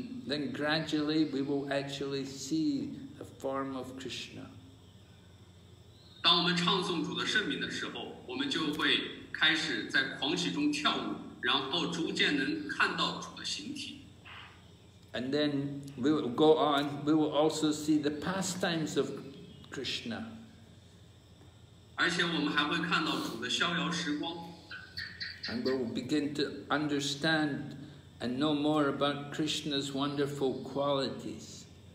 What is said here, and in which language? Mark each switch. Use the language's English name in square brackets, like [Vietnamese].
[English] then gradually we will actually see the form of Krishna. [Chinese] 当我们唱诵主的圣名的时候，我们就会开始在狂喜中跳舞，然后逐渐能看到主的形体。 [English] And then we will go on, we will also see the pastimes of Krishna. And we will begin to understand and know more about Krishna's wonderful qualities.